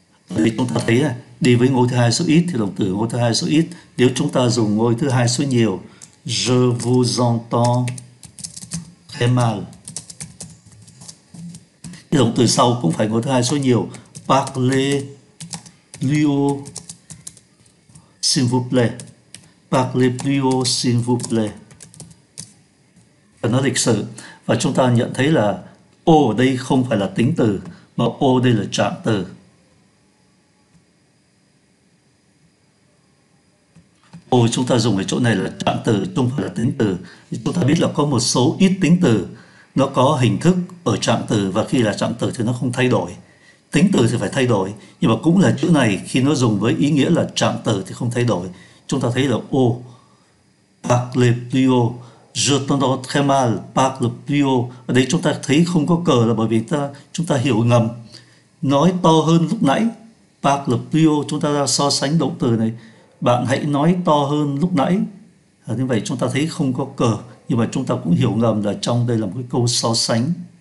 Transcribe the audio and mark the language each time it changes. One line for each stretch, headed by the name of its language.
Vietnamese: Đây chúng ta thấy đi với ngôi thứ hai số ít thì động từ ngôi thứ hai số ít. Nếu chúng ta dùng ngôi thứ hai số nhiều,
French: je vous entends très mal.
Vietnamese: Cái động từ sau cũng phải ngôi thứ hai số nhiều.
French: Parlez plus haut, s'il vous plaît. Parlez plus haut, s'il vous plaît.
Vietnamese: Và nó lịch sự. Và chúng ta nhận thấy là ô ở đây không phải là tính từ, mà ô đây là trạng từ. Ồ, chúng ta dùng ở chỗ này là trạng từ, chung là tính từ. Chúng ta biết là có một số ít tính từ nó có hình thức ở trạng từ, và khi là trạng từ thì nó không thay đổi. Tính từ thì phải thay đổi, nhưng mà cũng là chữ này khi nó dùng với ý nghĩa là trạng từ thì không thay đổi. Chúng ta thấy là ô,
French: Parle plus haut, je t'entends très mal, parle plus haut.
Vietnamese: Ở đây chúng ta thấy không có cờ là bởi vì chúng ta hiểu ngầm. Nói to hơn lúc nãy,
French: parle plus haut,
Vietnamese: chúng ta đã so sánh động từ này. Bạn hãy nói to hơn lúc nãy. À, như vậy chúng ta thấy không có cờ, nhưng mà chúng ta cũng hiểu ngầm là trong đây là một cái câu so sánh.